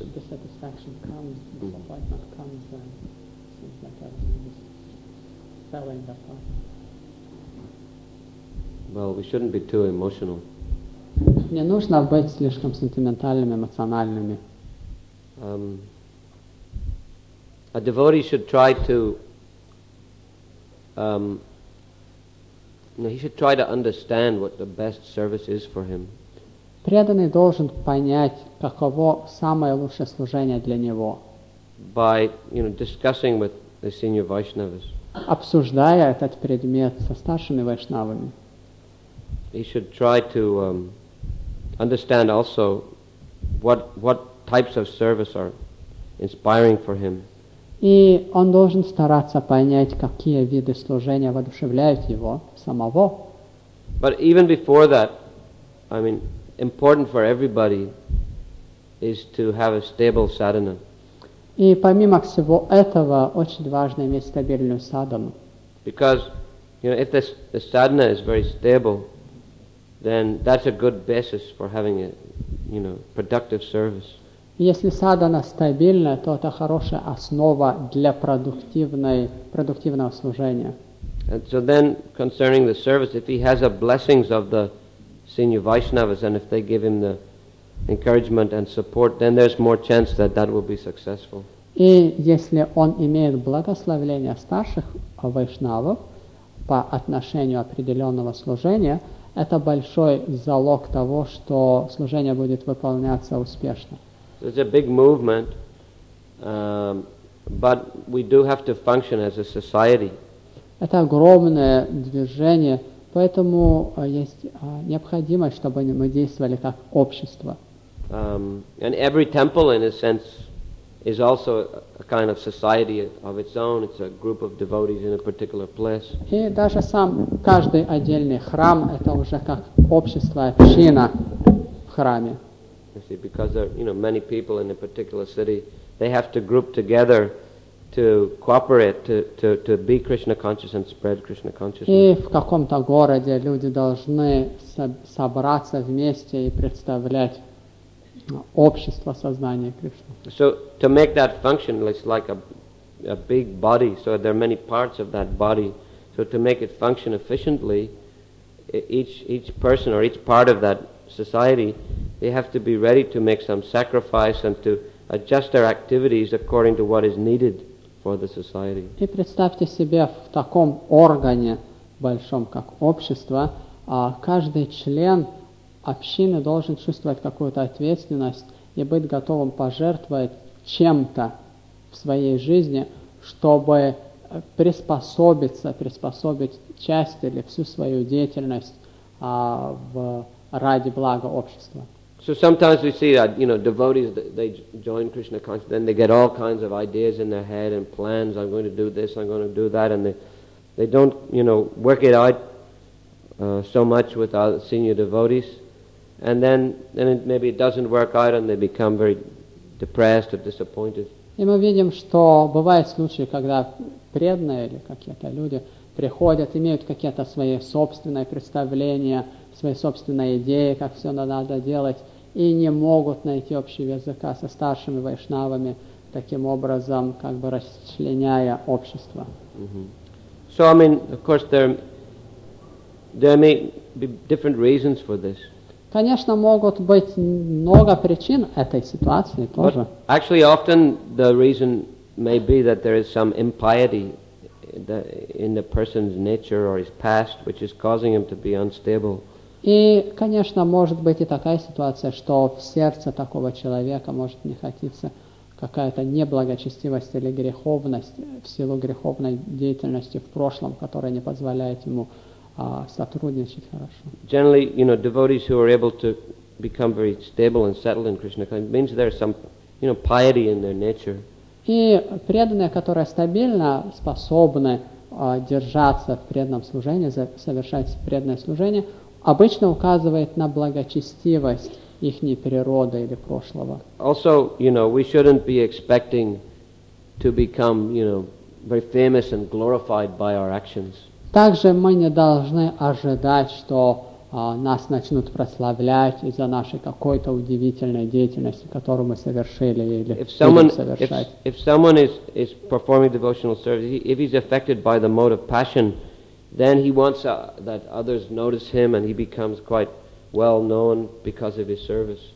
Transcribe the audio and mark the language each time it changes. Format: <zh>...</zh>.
<en>The satisfaction comes, the disappointment comes, and it seems like everything is falling apart. Well, we shouldn't be too emotional.</en> <ru>Не нужно быть слишком сентиментальными, эмоциональными.</ru> <en>A devotee should try to. He should try to understand what the best service is for him.</en> <ru>Преданный должен понять, каково самое лучшее служение для него.</ru> <en>By, you know, discussing with the senior Vaishnavas.</en> <ru>Обсуждая этот предмет со старшими вайшнавами.</ru> <en>he should try to understand also what types of service are inspiring for him.</en> <ru>И он должен стараться понять, какие виды служения воодушевляют его самого.</ru> <en>But even before that, I mean, important for everybody is to have a stable sadhana.</en> <ru>И помимо всего этого, очень важно иметь стабильную садхану.</ru> <en>Because, you know, if the sadhana is very stable, then that's a good basis for having a, you know, productive service.</en> <ru>Если садхана стабильна, то это хорошая основа для продуктивного служения.</ru> <en>And so then, concerning the service, if he has the blessings of the senior Vaishnavas, and if they give him the encouragement and support, then there's more chance that that will be successful.</en> <ru>И если он имеет благословение старших вайшнавов по отношению определенного служения, это большой залог того, что служение будет выполняться успешно.</ru> <en>So it's a big movement, but we do have to function as a society.</en> <ru>Это огромное движение, поэтому есть необходимость, чтобы мы действовали как общество.</ru> <en>And every temple, in a sense, is also a kind of society of its own. It's a group of devotees in a particular place.</en> <ru>И даже сам каждый отдельный храм – это уже как общество, община в храме.</ru> <en>You see, because there, you know, many people in a particular city, they have to group together to cooperate, to be Krishna conscious and spread Krishna consciousness.</en> <ru>И в каком-то городе люди должны собраться вместе и представлять общество сознания Кришны.</ru> <en>So to make that function, it's like a big body. So there are many parts of that body. So to make it function efficiently, each person or each part of that society, they have to be ready to make some sacrifice and to adjust their activities according to what is needed for the society.</en> <ru>И представьте себе в таком органе большом, как общество, каждый член общины должен чувствовать какую-то ответственность и быть готовым пожертвовать чем-то в своей жизни, чтобы приспособить часть или всю свою деятельность ради блага общества.</ru> <en>So sometimes we see that, you know, devotees, they join Krishna consciousness, then they get all kinds of ideas in their head and plans, I'm going to do this, I'm going to do that, and they don't, you know, work it out so much with our senior devotees, and then it, maybe it doesn't work out and they become very depressed or disappointed.</en> <ru>И мы видим, что бывают случаи, когда преданные или какие-то люди приходят, имеют какие-то свои собственные представления, свои собственные идеи, как все надо делать, и не могут найти общего языка со старшими вайшнавами, таким образом, как бы расчленяя общество. Mm-hmm.</ru> <en>So, I mean, of course, there may be different reasons for this.</en> <ru>Конечно, могут быть много причин этой ситуации тоже.</ru> <en>But actually, often the reason may be that there is some impiety in the person's nature or his past, which is causing him to be unstable.</en> <ru>И, конечно, может быть и такая ситуация, что в сердце такого человека может находиться какая-то неблагочестивость или греховность в силу греховной деятельности в прошлом, которая не позволяет ему сотрудничать хорошо.</ru> <en>Generally, you know, devotees who are able to become very stable and settled in Krishna consciousness means there's some, you know, piety in their nature.</en> <ru>И преданные, которые стабильно способны держаться в преданном служении, совершать преданное служение, обычно указывает на благочестивость ихней природы или прошлого.</ru> <en>Also, you know, we shouldn't be expecting to become, you know, very famous and glorified by our actions.</en> <ru>Также мы не должны ожидать, что нас начнут прославлять из-за нашей какой-то удивительной деятельности, которую мы совершили или будем совершать.</ru> <en>If someone is performing devotional service, if he's affected by the mode of passion, then he wants that others notice him and he becomes quite well known because of his service.</en>